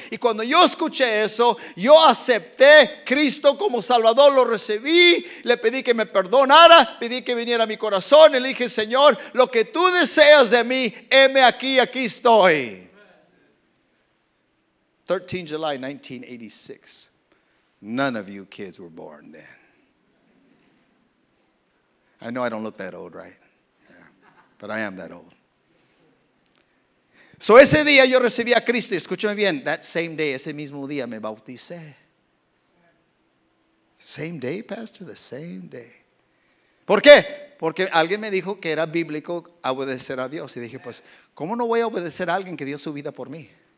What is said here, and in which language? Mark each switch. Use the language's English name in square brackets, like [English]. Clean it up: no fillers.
[Spanish] Y cuando yo escuché eso, yo acepté Cristo como Salvador, lo recibí, le pedí que me perdonara, pedí que viniera a mi corazón y le dije, Señor, lo que tú deseas de mí, heme aquí, aquí estoy. [English] 13 July 1986. None of you kids were born then. I know I don't look that old, right? Yeah. But I am that old. [Spanish] So ese día yo recibí a Cristo. Escúchame bien. [English] That same day, [Spanish] ese mismo día me bauticé. [English] Same day, Pastor? The same day. [Spanish] ¿Por qué? Porque alguien me dijo que era bíblico obedecer a Dios. Y dije, pues, ¿cómo no voy a obedecer a alguien que dio su vida por mí?